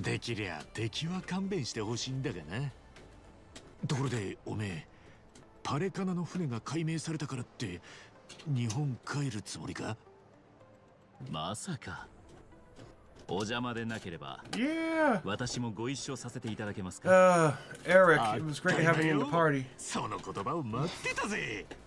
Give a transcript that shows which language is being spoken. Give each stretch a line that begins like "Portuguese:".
Japanese: できりゃ敵は勘弁してほしいんだがな。ところでおめえ、パレカナの船が解明されたからって日本帰るつもりか？まさか。お邪魔でなければ、
English: yeah.
Japanese: 私もご一緒させていただけますか。
English: エリック、It was great having you in the party.
Japanese: その言葉を待ってたぜ。